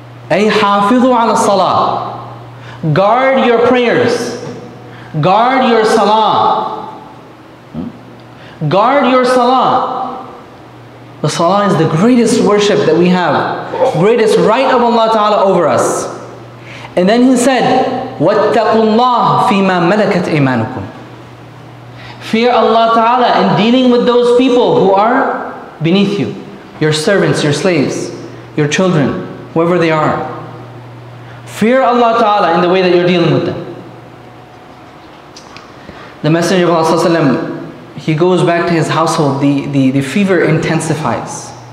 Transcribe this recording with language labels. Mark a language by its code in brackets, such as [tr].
[ar] Ay hafidhu ala salah. [en] Guard your prayers. Guard your salah. Guard your salah. The salah is the greatest worship that we have, greatest right of Allah Ta'ala over us. And then he said, [ar] وَاتَّقُوا اللَّهُ فِي مَا مَلَكَتْ إِيمَانُكُمْ. [en] Fear Allah Ta'ala in dealing with those people who are beneath you, your servants, your slaves, your children, whoever they are. Fear Allah Ta'ala in the way that you're dealing with them. The Messenger of Allah Sallallahu Alaihi Wasallam, he goes back to his household, the fever intensifies.